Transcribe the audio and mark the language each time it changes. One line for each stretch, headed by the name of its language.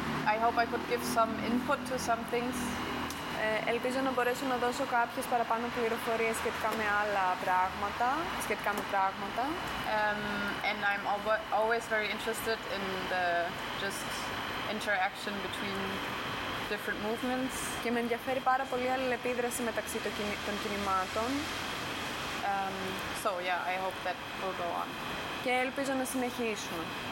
English: I hope I could give some input to some things.
Greek: Ελπίζω να μπορέσω να δώσω κάποιες παραπάνω πληροφορίες σχετικά με άλλα πράγματα, σχετικά με πράγματα.
English: And I'm always very interested in the just interaction between different movements.
Greek: Και με ενδιαφέρει πάρα πολύ η αλληλεπίδραση μεταξύ των κινημάτων.
English: I hope that will go on.
Greek: Και ελπίζω να συνεχίσουμε.